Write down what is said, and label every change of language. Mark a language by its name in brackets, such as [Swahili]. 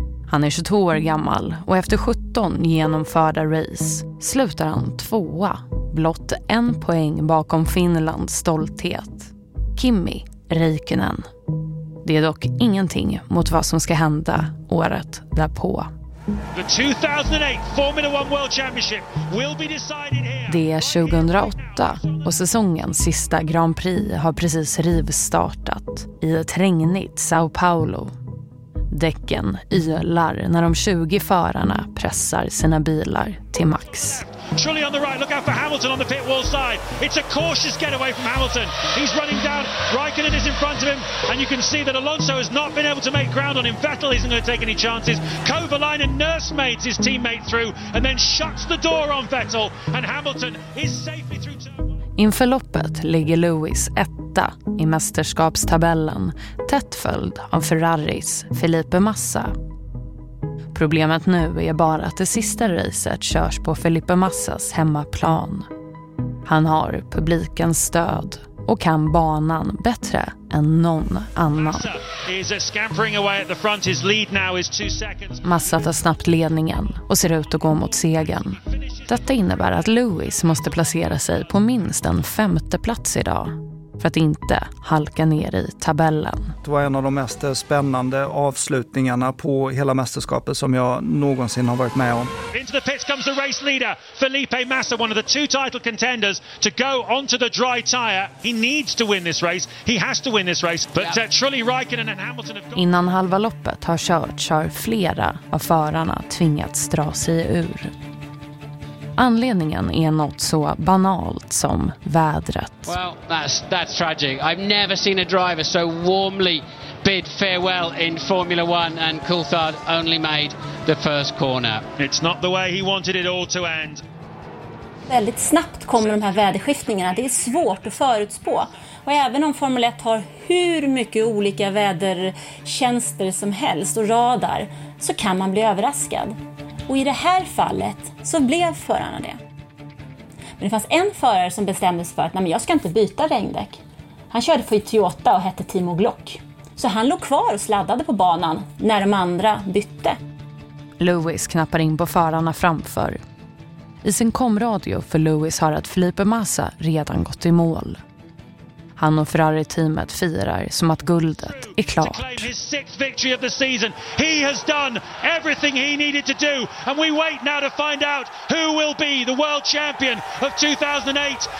[Swedish] Han är 22 år gammal och efter 17 genomförda race slutar han tvåa, blott en poäng bakom Finlands stolthet, Kimi Räikkönen. Det är dock ingenting mot vad som ska hända året därpå. [English] The 2008 Formula One World Championship will be decided here. [Swedish] Det är 2008 och säsongens sista Grand Prix har precis rivstartat i ett regnigt Sao Paulo. Däcken ylar när de 20 förarna pressar sina bilar till max. [English] Truly on the right, look out for Hamilton on the pit wall side. It's a cautious getaway from Hamilton. He's running down, Räikkönen is in front of him, and you can see that Alonso has not been able to make ground on him. Vettel isn't going to take any chances. Kovalainen nursemaids his teammate through and then shuts the door on Vettel, and Hamilton is safely through turn. [Swedish] Inför loppet ligger Lewis etta i mästerskapstabellen, tätt följd av Ferraris Felipe Massa. Problemet nu är bara att det sista racet körs på Felipe Massas hemmaplan. Han har publikens stöd och kan banan bättre än någon annan. Massa tar snabbt ledningen och ser ut att gå mot segern. Detta innebär att Lewis måste placera sig på minst en femte plats idag för att inte halka ner i tabellen. Det var en av de mest spännande avslutningarna på hela mästerskapet som jag någonsin har varit med om. [English] Into the pits comes the race leader, Felipe Massa, one of the two title contenders to go onto the dry tire. He needs to win this race. He has to win this race. But truly Raikkonen and Hamilton have... [Swedish] Innan halva loppet har körts har flera av förarna tvingats dra sig ur. Anledningen är något så banalt som vädret. [English] Well, that's tragic. I've never seen a driver so warmly bid farewell in Formula One, and Coulthard only made the first corner. It's not the way he wanted it all to end. [Swedish] Väldigt snabbt kommer de här väderskiftningarna. Det är svårt att förutspå. Och även om Formel 1 har hur mycket olika vädertjänster som helst och radar, så kan man bli överraskad. Och i det här fallet så blev förarna det. Men det fanns en förare som bestämde sig för att jag ska inte byta regndäck. Han körde för Toyota och hette Timo Glock. Så han låg kvar och sladdade på banan när de andra bytte. Lewis knappar in på förarna framför. I sin komradio för Lewis hör att Felipe Massa redan gått i mål. Han och Ferrari-teamet firar som att guldet är klart. [English] He has done everything he needed to do, and we wait now to find out who will be the world champion of 2008.